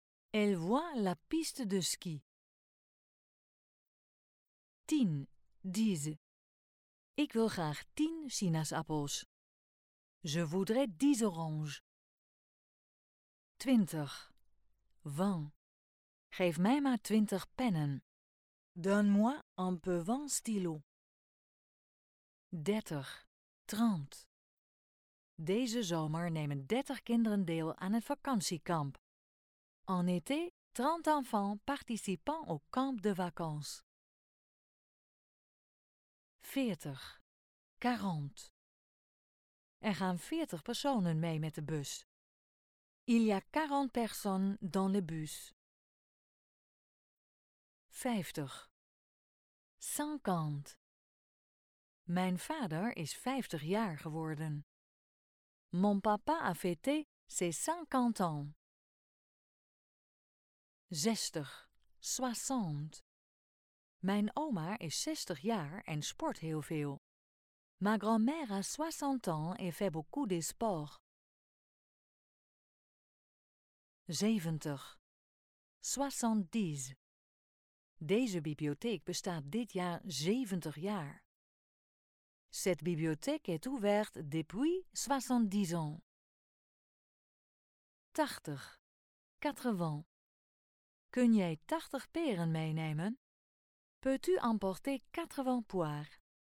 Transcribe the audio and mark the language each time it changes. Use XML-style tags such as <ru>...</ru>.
<fr>Elle voit la piste de ski. 10. Dix.</fr> <nl>Ik wil graag 10 sinaasappels.</nl> <fr>Je voudrais 10 oranges. 20. Vingt.</fr> <nl>Geef mij maar 20 pennen.</nl> <fr>Donne-moi un peu 20 stylos. 30. Trente.</fr> <nl>Deze zomer nemen 30 kinderen deel aan het vakantiekamp.</nl> <fr>En été, 30 enfants participant au camp de vacances. 40. Quarante.</fr> <nl>Er gaan 40 personen mee met de bus.</nl> <fr>Il y a 40 personnes dans le bus. 50. Cinquante.</fr> <nl>Mijn vader is 50 jaar geworden.</nl> <fr>Mon papa a fêté ses 50 ans.</fr> <nl>60.</nl> <fr>Soixante.</fr> <nl>Mijn oma is 60 jaar en sport heel veel.</nl> <fr>Ma grand-mère a 60 ans et fait beaucoup de sport. 70. Soixante-dix.</fr> <nl>Deze bibliotheek bestaat dit jaar 70 jaar.</nl> <fr>Cette bibliothèque est ouverte depuis 70 ans.</fr> <nl>80. 80. Kun jij 80 peren meenemen?</nl> <fr>Peux-tu emporter 80 poires?</fr>